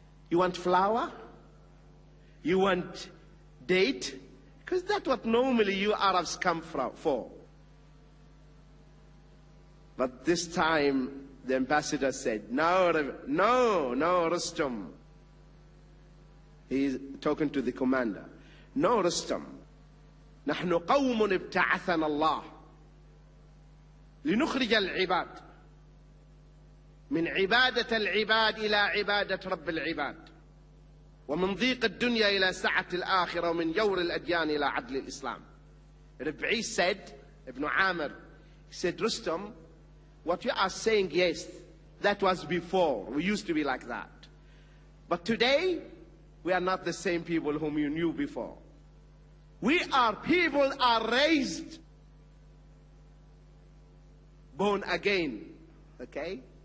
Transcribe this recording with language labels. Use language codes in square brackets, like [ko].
[en] You want flour? You want date? Because that's what normally you Arabs come for. But this time, the ambassador said, no, Rustam. He's talking to the commander. No, Rustam. [ar] نحن قوم ابتعثنا الله لنخرج العباد من عبادة العباد إلى عبادة رب العباد ومن ضيق الدنيا إلى سعة الآخرة ومن جور الأديان إلى عدل الإسلام. [en] ربعي said, ابن عامر, he said, Rustam, what you are saying, yes, that was before, we used to be like that. But today, we are not the same people whom you knew before. We are people are raised, born again, okay?